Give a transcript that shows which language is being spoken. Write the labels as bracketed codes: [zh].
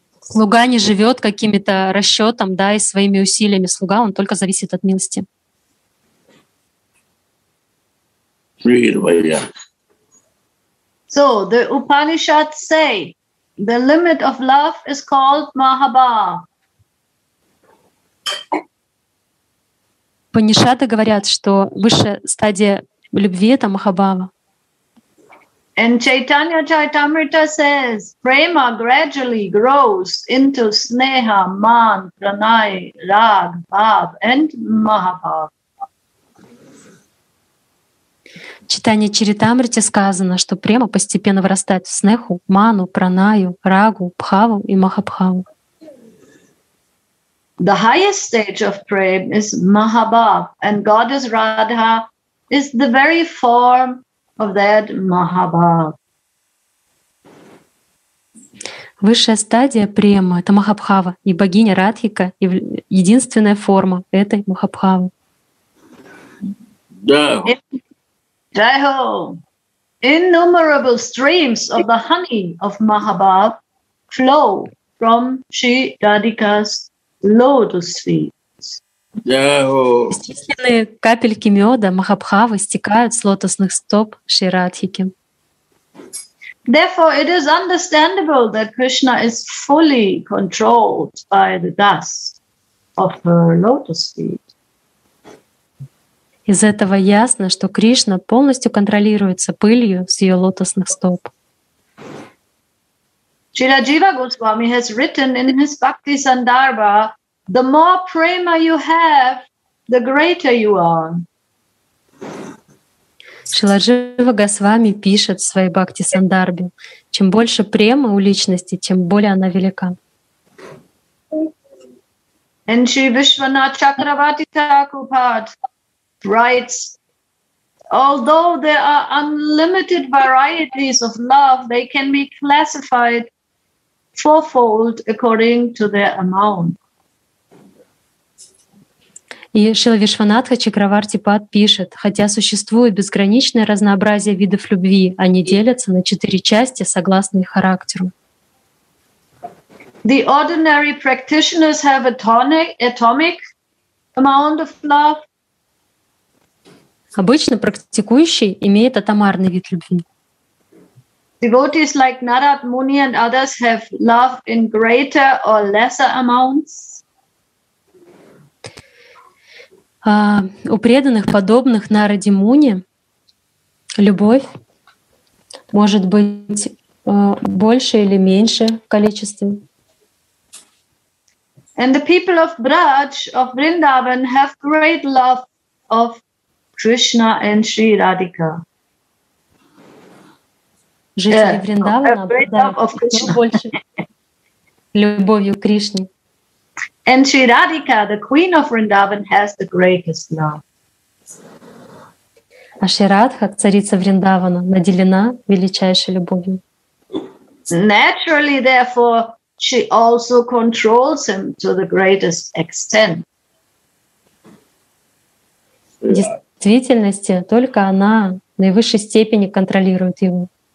[ru] Слуга не живет каким-то расчетом, да, и своими усилиями. Слуга, он только зависит от милости. [en] So, the Upanishads say, the limit of love is called Mahabha. [ru] Панишады говорят, что высшая стадия любви — это Махабхава. [en] And Chaitanya Charitamrita says, prema gradually grows into sneha, man, pranay, rag, bhav, and mahabhav. [ru] Chaitanya Charitamrita сказано, что према постепенно вырастает в снеху, ману, пранаю, рагу, бхаву и махабхаву. [en] The highest stage of prema is mahabhav, and goddess Radha is the very form of that Mahabhava. [ru] Высшая стадия према — это Махабхава, и богиня Радхика — единственная форма этой Махабхавы. [hi] Jai Ho! [en] Innumerable streams of the honey of Mahabhava flow from Sri Radhika's lotus feet. [ru] Бесчисленные капельки меда Махабхавы стекают с лотосных стоп Шри Радхики. [en] Therefore, it is understandable that Krishna is fully controlled by the dust of her lotus feet. [ru] Из этого ясно, что Кришна полностью контролируется пылью с ее лотосных стоп. [en] Чираджива Госвами has written in his Bhakti Sandarbha, the more prema you have, the greater you are. [ru] Шрила Джива Госвами пишет в своей Бхакти Сандарбе: чем больше премы у личности, тем более она велика. [en] And Sri Vishwanath Chakravarti Thakupad writes, although there are unlimited varieties of love, they can be classified fourfold according to their amount. [ru] И Шрила Вишванатха Чакраварти Пад пишет: хотя существует безграничное разнообразие видов любви, они делятся на четыре части согласно их характеру. [en] The ordinary practitioners have atomic amount of love. [ru] Обычно практикующий имеет атомарный вид любви. [en] Devotees like Narad Muni and others have love in greater or lesser amounts. [ru] У преданных, подобных Нараде Муни, любовь может быть больше или меньше в количестве. [en] And the people of Braj, of Vrindavan, have great love of Krishna and Sri Radhika. [ru] Жители Вриндавана обладают еще больше любовью к Кришне. [en] And Sri Radhika, the queen of Vrindavan, has the greatest love. [ru] А Шри Радха, царица Вриндавана, наделена величайшей любовью. [en] Naturally, therefore, she also controls him to the greatest extent. [ru] В действительности, только она в наивысшей степени контролирует его.